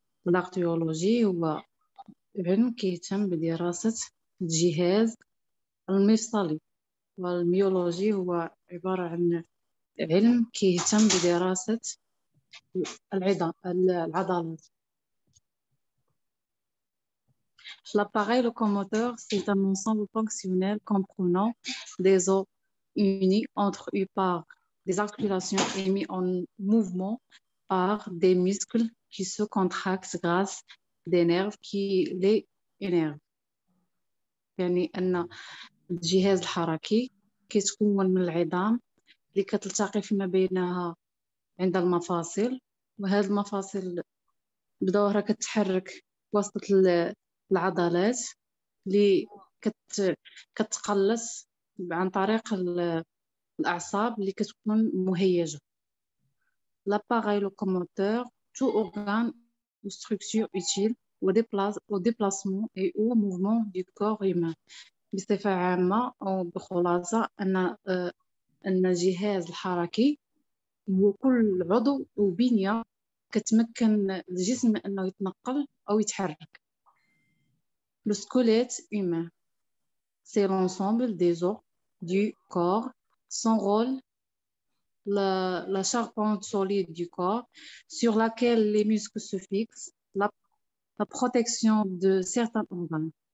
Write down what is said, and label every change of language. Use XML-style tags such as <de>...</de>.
<ar>الأرتيولوجي هو علم كي يتم بدراسة الجهاز المفصلي، والميولوجي هو عبارة عن علم كي يتم بدراسة العظام العضلات.</ar> <fr>L'appareil locomoteur c'est un ensemble fonctionnel comprenant des os unis entre eux par des articulations et mis en mouvement par des muscles qui se contractent grâce des nerfs qui les innervent.</fr> <ar>يعني أن الجهاز الحركي كيتكون من العظام اللي كتلتقي فيما بينها عند المفاصل، وهذه المفاصل بدورها كتحرك بواسطة العضلات اللي كتقلص عن طريق الأعصاب اللي كتكون مهيجة.</ar> <fr>L'appareil locomoteur, tout organe ou structure utile au déplacement et au mouvement du corps humain.</fr> <ar>بصفة عامة أو بخلاصة أن الجهاز الحركي هو كل عضو أو بنية كتمكن الجسم أنه يتنقل أو يتحرك.</ar> <fr>Le squelette humain, c'est l'ensemble des os du corps. Son rôle, la charpente solide du corps sur laquelle les muscles se fixent, la protection de certains organes.</fr>